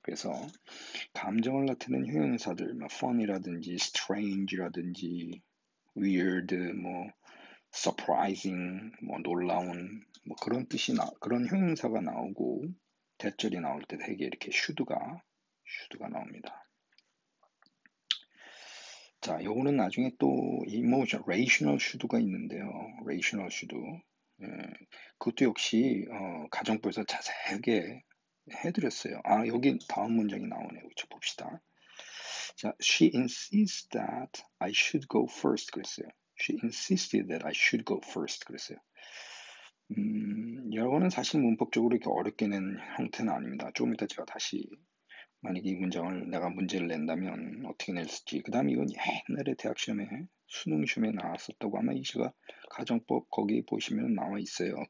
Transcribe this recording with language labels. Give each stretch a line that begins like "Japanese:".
Korean: 그래서 감정을 나타내는 형용사들, 뭐 fun이라든지 strange라든지 weird, 뭐 surprising, 뭐 놀라운 뭐 그런 뜻이나 그런 형용사가 나오고 대절이 나올 때 되게 이렇게 슈드가 나옵니다. 자, 요거는 나중에 또 emotion, rational 슈드가 있는데요. rational 슈드. 그것도 역시 가정법에서 자세하게 해드렸어요. 아, 여기 다음 문장이 나오네요. 그쵸, 봅시다.
English: 자, she insists that I should go first
Korean: 그랬어요.
English: She insisted that I should go first
Korean: 그랬어요. 이거는 사실 문법적으로 이렇게 어렵게 낸 형태는 아닙니다. 조금 이따 제가 다시 만약에 이 문장을 내가 문제를 낸다면 어떻게 냈을지. 그 다음에 이건 옛날에 대학 시험에 수능 시험에 나왔었다고 아마 이 제가 가정법 거기 보시면 나와 있어요.